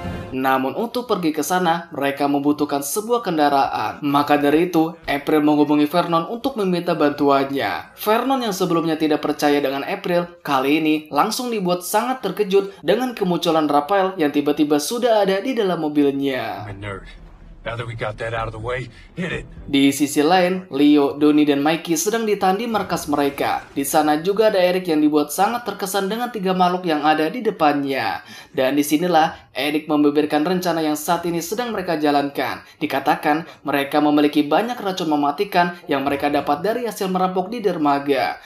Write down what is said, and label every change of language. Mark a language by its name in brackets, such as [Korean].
[Indonesian] Namun untuk pergi ke sana, mereka membutuhkan sebuah kendaraan. Maka dari itu, April menghubungi Vernon untuk meminta bantuannya. Vernon yang sebelumnya tidak percaya dengan April, kali ini langsung dibuat sangat terkejut dengan kemunculan Raphael yang tiba-tiba sudah ada di dalam mobilnya. [English] Now that we got that out of the way, hit it. [Indonesian] Di sisi lain, Leo, Donnie, dan Mikey sedang ditahan di markas mereka. Di sana juga ada Eric yang dibuat sangat terkesan dengan 3 makhluk yang ada di depannya. Dan disinilah Eric membeberkan rencana yang saat ini sedang mereka jalankan. Dikatakan mereka memiliki banyak racun mematikan yang mereka dapat dari hasil merampok di dermaga.